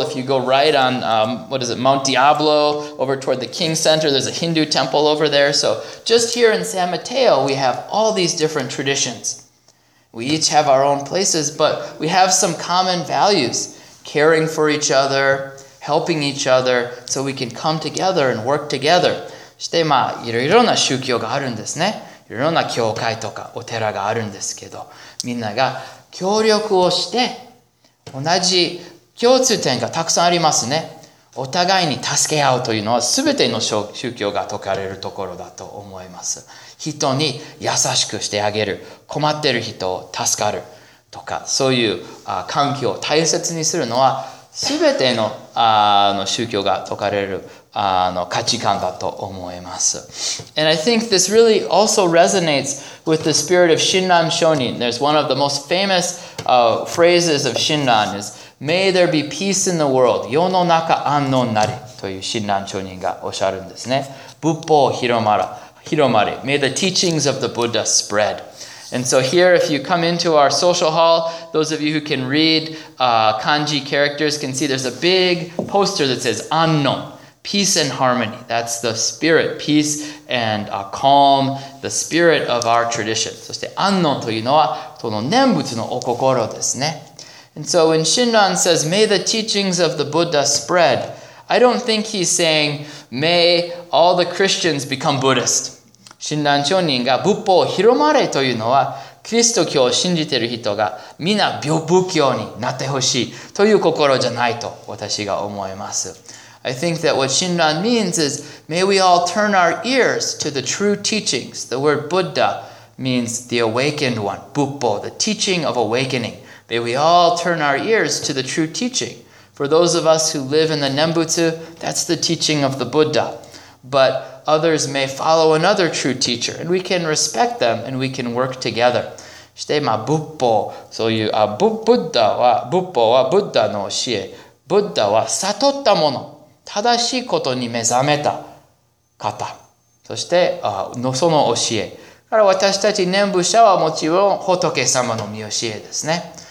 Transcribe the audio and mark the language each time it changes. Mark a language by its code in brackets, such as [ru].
[en] If you go right on, Mount Diablo, over toward the King Center, there's a Hindu temple over there. So just here in San Mateo, we have all these different traditions. We each have our own places, but we have some common values, caring for each other,helping each other so we can come together and work together. [ja] そしてまあいろいろな宗教があるんですね。いろいろな教会とかお寺があるんですけど、みんなが協力をして同じ共通点がたくさんありますね。お互いに助け合うというのは全ての宗教が説かれるところだと思います。人に優しくしてあげる、困っている人を助かるとか、そういう環境を大切にするのは全ての、宗教が説かれる、価値観だと思います。 [en] And I think this really also resonates with the spirit of Shinran Shonin. There's one of the most famous, phrases of Shinran is, May there be peace in the world. [ja] 世の中安穏なり。という Shinran Shonin がおっしゃるんですね。仏法広まれ。 [en] May the teachings of the Buddha spread. And so here, if you come into our social hall, those of you who can read kanji characters can see there's a big poster that says Annon, peace and harmony. That's the spirit, peace and calm, the spirit of our tradition. [ja] そして Annon というのはその念仏のお心ですね。 [en] And so when Shinran says, may the teachings of the Buddha spread, I don't think he's saying, may all the Christians become Buddhist. [ja] 親鸞聖人が仏法を広まれというのは、キリスト教を信じている人が皆仏教になってほしいという心じゃないと私が思います。 [en] I think that what 親鸞 means is, may we all turn our ears to the true teachings. The word Buddha means the awakened one, 仏法, the teaching of awakening. May we all turn our ears to the true teaching. For those of us who live in the Nembutsu, that's the teaching of the Buddha. But,Others may follow another true teacher, and we can respect them, and we can work together. [ja] そして、まあ、仏法、そういう、ブッダは、仏法はブッダの教え。ブッダは悟ったもの、正しいことに目覚めた方。そして、その教え。から私たち念仏者はもちろん仏様の御教えですね。